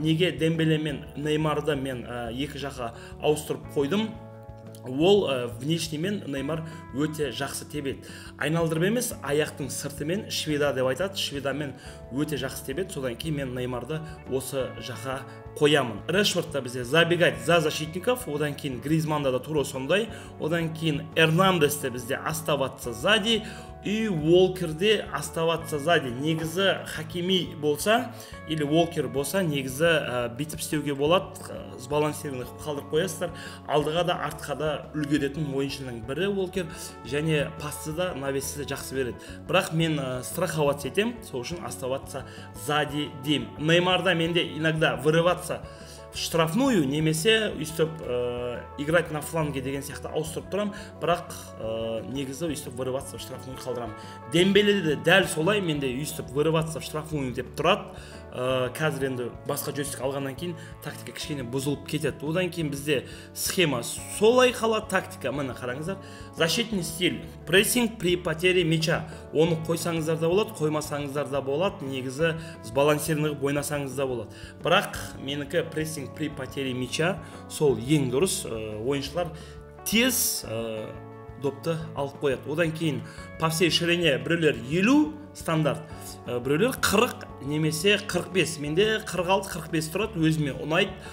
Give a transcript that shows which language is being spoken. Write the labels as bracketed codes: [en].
[kk] Неге Дембеле мен Неймарды мен екі жаққа ауыстырып қойдым? Ол внешнемен Неймар өте жақсы тебеді. Айналдырып емес, аяқтың сыртымен Шведа деп айтады. Шведамен өте жақсы тебеді. Содан кейін мен Неймарды осы жаққа қоямын. Решфордта бізде [ru] забегает за защитников, [kk] одан кейін Гризманда да тура сондай, одан кейін Эрнандесте бізде [ru] оставаться сзади, [kk] и Уолкерде оставаться сзади. Негізі Хакими болса, или Уолкер болса, негізі бітіп істеуге болады, сбалансированных қалдырып қоясыздар. Алдыға да артқа да үлгеретін ойыншының бірі Уолкер, және пасты да навесті де жақсы береді. Бірақ мен страховаться етем, сол үшін [ru] оставаться сзади [kk] дейм. Неймарда менде [ru] иногда вырываться в штрафную, [kk] немесе үстіп [ru] играть на фланге [kk] деген сияқты ауыстырып тұрам, бірақ негізі үстіп [ru] вырываться в штрафную [kk] қалдырам. Дембеле де дәл солай, менде үстіп [ru] вырываться в штрафную [kk] деп тұрады. Қазір енді басқа жөстік алғаннан кейін тактика кішкене бұзылып кетеді. Одан кейін бізде схема солай қала, тактика мені қараңыздар. [ru] Защитный стиль, прессинг при потере мяча. [kk] Оны қойсаңыздар да болады, қоймасаңыздар да болады, негізі сбалансированный ойнасаңыз да болады. Бірақ менікі [ru] прессинг при потере мяча, [kk] сол ең дұрыс. Ойыншылар тез допты алып қояды. Одан кейін [ru] по всей ширине [kk] біреулер 50 стандарт, біреулер 40, немесе 45, менде 46-45 тұрады, өзіме ұнайды.